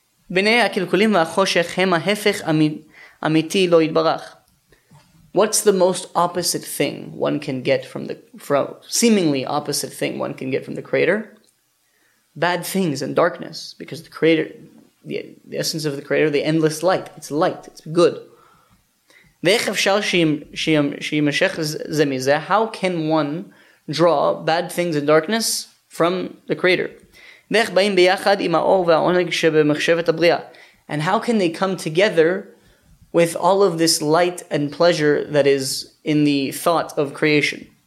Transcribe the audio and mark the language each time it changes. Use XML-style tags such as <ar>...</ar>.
<he>בני הקלקולים והחושך הם ההפך אמיתי לא יתברך.</he> <en>What's the most opposite thing one can get from seemingly opposite thing one can get from the Creator? Bad things and darkness, because the Creator, the essence of the Creator, the endless light. It's light. It's good.</en> <he>ואיך אפשר שימשך זה מזה?</he> <en>How can one draw bad things and darkness from the Creator?</en> <he>ואיך באים ביחד עם האור והעונג שבמחשבת הבריאה?</he> <en>And how can they come together with all of this light and pleasure that is in the thought of creation?</en>